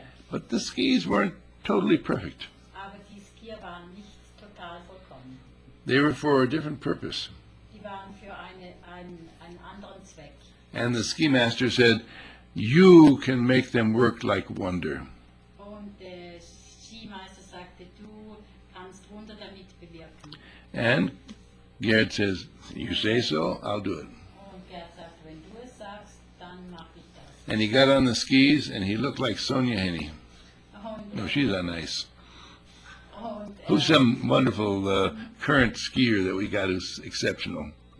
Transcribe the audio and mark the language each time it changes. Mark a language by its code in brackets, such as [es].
[en] But the skis weren't totally perfect. [de] Aber die Skier waren nicht total vollkommen. [en] They were for a different purpose. [de] Die waren für einen anderen Zweck. [en] And the ski master said, you can make them work like wonder. [de] Und der Skimeister sagte, du kannst Wunder damit bewirken. [en] And Gerd says, you say so, I'll do it. [de] Und Gerd sagt, wenn du es sagst, dann mach ich das. [en] And he got on the skis and he looked like Sonja Henie. No, she's not nice. Who's some wonderful current skier that we got who's exceptional?